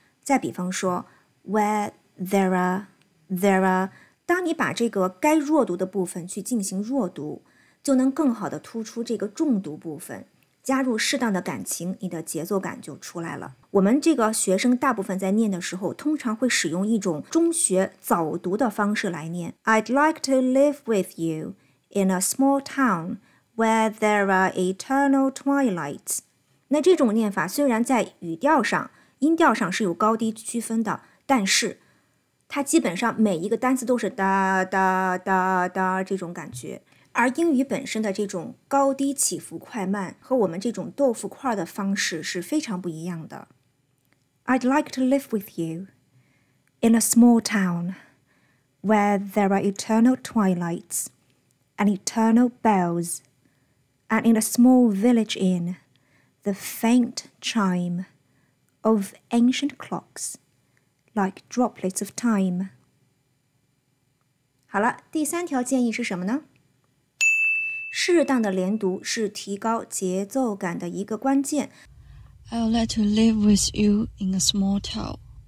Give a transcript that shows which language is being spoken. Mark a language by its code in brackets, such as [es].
[zh] 再比方说 [en] where there are, [zh] 当你把这个该弱读的部分去进行弱读，就能更好的突出这个重读部分。加入适当的感情，你的节奏感就出来了。我们这个学生大部分在念的时候，通常会使用一种中学早读的方式来念。 [en] I'd like to live with you in a small town where there are eternal twilights. [zh] 那这种念法虽然在语调上、音调上是有高低区分的，但是它基本上每一个单词都是哒哒哒哒这种感觉。而英语本身的这种高低起伏快慢和我们这种豆腐块的方式是非常不一样的。 [en] I'd like to live with you in a small town where there are eternal twilights and eternal bells and in a small village inn, the faint chime of ancient clocks like droplets of time. [zh] 好了，第三条建议是什么呢？适当的连读是提高节奏感的一个关键。 [en] I would like to live with you in a small town.